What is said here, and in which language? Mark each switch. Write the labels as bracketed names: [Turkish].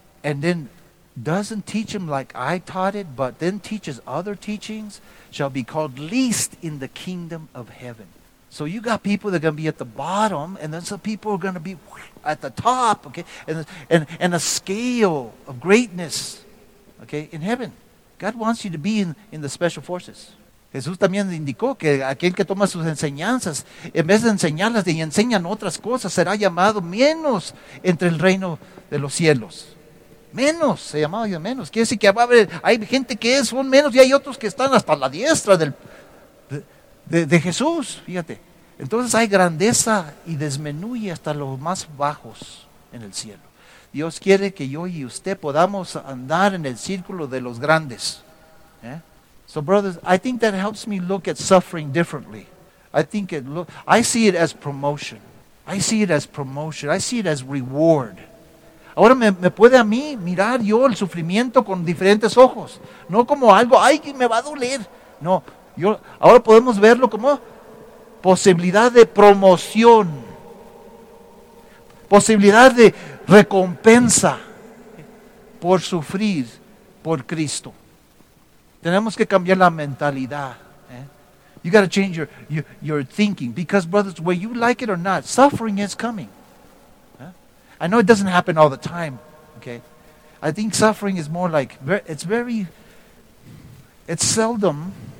[English] And then doesn't teach him like I taught it, but then teaches other teachings, shall be called least in the kingdom of heaven. So you got people that are going to be at the bottom, and then some people are going to be at the top, okay? And a scale of greatness, okay, in heaven. God wants you to be in the special forces. [Spanish] Jesús también indicó que aquel que toma sus enseñanzas, en vez de enseñarlas y enseñan otras cosas, será llamado menos entre el reino de los cielos. Menos, se llamaba yo menos. Quiere decir que hay gente que son menos y hay otros que están hasta la diestra de Jesús, fíjate. Entonces hay grandeza y disminuye hasta los más bajos en el cielo. Dios quiere que yo y usted podamos andar en el círculo de los grandes. ¿Eh? [English] So brothers, I think that helps me look at suffering differently. I see it as promotion. I see it as promotion. I see it as reward. [Spanish] Ahora me puede a mí mirar yo el sufrimiento con diferentes ojos. No como algo, ay, me va a doler. No. Ahora podemos verlo como posibilidad de promoción, posibilidad de recompensa por sufrir por Cristo. Tenemos que cambiar la mentalidad. [English] You got to change your thinking, because brothers, whether you like it or not, suffering is coming. I know it doesn't happen all the time. Okay, I think suffering is more like it's seldom.